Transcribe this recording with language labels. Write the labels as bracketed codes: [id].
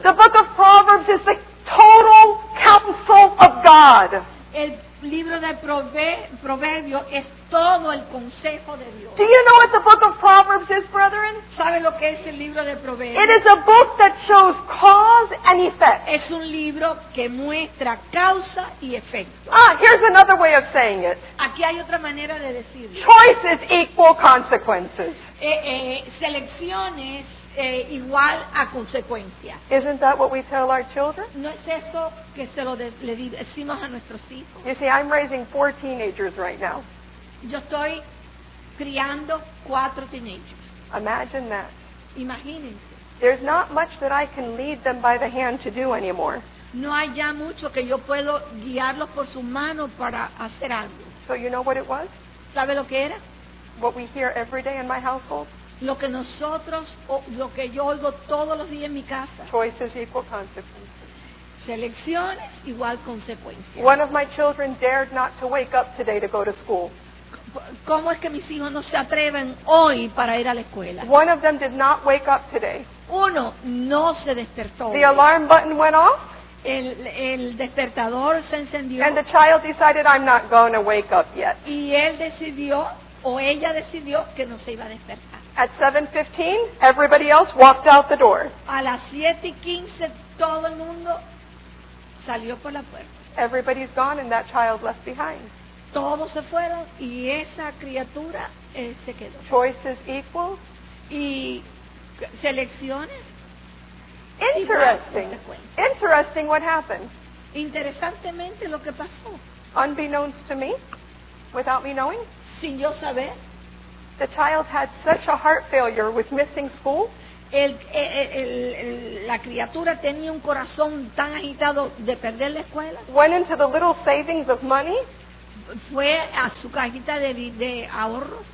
[en] The book of Proverbs is the total counsel of God. [es] El libro de Proverbios es todo el consejo de Dios. [en] Do you know what the book of Proverbs is, brethren? [es] ¿Sabe lo que es el libro de Proverbios? [en] It is a book that shows cause and effect. [es] Es un libro que muestra causa y efecto. [en] Ah, here's another way of saying it. [es] Aquí hay otra manera de decirlo. [en] Choices equal consequences. [es] Selecciones igual a consecuencia. [en] Isn't that what we tell our children? [es] ¿No es eso que se lo le decimos a nuestros hijos? [en] You see, I'm raising 4 teenagers right now. [es] Yo estoy criando 4 teenagers. [en] Imagine that. [es] Imagínense. [en] There's not much that I can lead them by the hand to do anymore. [es] No hay ya mucho que yo puedo guiarlos por su mano para hacer algo. [en] So you know what it was? [es] ¿Sabe lo que era? [en] What we hear every day in my household. [es] Lo que nosotros, lo que yo oigo todos los días en mi casa. [en] Choices equal consequences. [es] Selecciones igual consecuencias. [en] One of my children dared not to wake up today to go to school. [es] ¿Cómo es que mis hijos no se atreven hoy para ir a la escuela? [en] One of them did not wake up today. [es] Uno no se despertó. [en] The alarm button went off. [es] El despertador se encendió. [en] And the child decided, I'm not going to wake up yet. [es] Y él decidió, o ella decidió, que no se iba a despertar. [en] At 7:15, everybody else walked out the door. [es] A las 7:15, todo el mundo salió por la puerta. [en] Everybody's gone and that child left behind. [es] Todos se fueron y esa criatura se quedó. [en] Choices equal. [es] Y selecciones. [en] Interesting. Interesting what happened. [es] Interesantemente lo que pasó. [en] Unbeknownst to me, without me knowing. [es] Sin yo saber. [en] The child had such a heart failure with missing school. [es] La criatura tenía un corazón tan agitado de perder la escuela. [en] Went into the little savings of money. [es] Fue a su cajita de ahorros.